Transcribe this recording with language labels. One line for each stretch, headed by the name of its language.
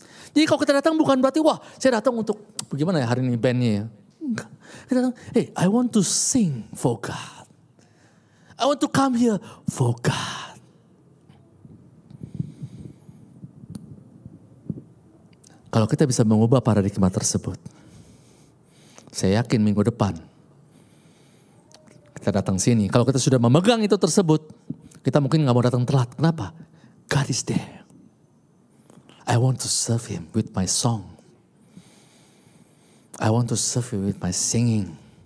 Indonesian: Jadi kalau kita datang bukan berarti wah, saya datang untuk bagaimana ya hari ini band-nya ya. Kita datang,
English: hey, I want to sing for God. I want to come here for God.
Indonesian: Kalau kita bisa mengubah paradigma tersebut, saya yakin minggu depan kita datang sini. Kalau kita sudah memegang itu tersebut, kita mungkin gak mau datang telat. Kenapa?
English: God is there. I want to serve Him with my song. I want to serve you with my singing.